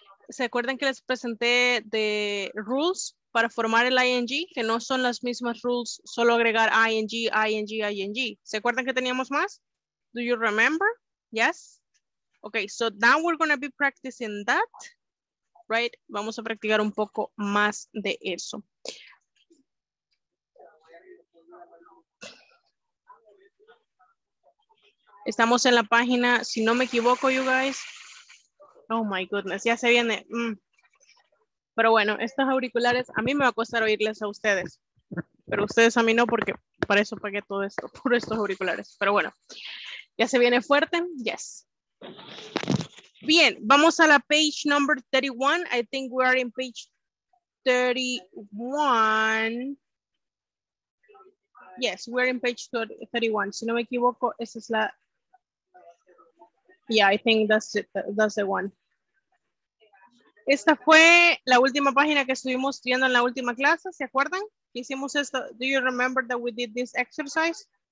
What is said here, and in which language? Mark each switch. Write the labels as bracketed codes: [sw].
[es] ¿Se acuerdan que les presenté [en] the rules [es] para formar el ing? Que no son las mismas rules, solo agregar ing, ing, ing. ¿Se acuerdan que teníamos más? [en] Do you remember? Yes? Okay, so now we're going to be practicing that. [es] Right, vamos a practicar un poco más de eso. Estamos en la página, si no me equivoco, [en] you guys. Oh my goodness, [es] ya se viene. Pero bueno, estos auriculares, a mí me va a costar oírles a ustedes. Pero ustedes a mí no, porque para eso pagué todo esto, por estos auriculares. Pero bueno, ya se viene fuerte. Yes. Bien, vamos a la [en] page number 31. I think we are in page 31. Yes, we're in page 31. [es] Si no me equivoco, esa es la... [en] Yeah, I think that's the one. [es] Esta fue la última página que estuvimos viendo en la última clase, ¿se acuerdan? Hicimos esto. [en] Do you remember that we did this exercise?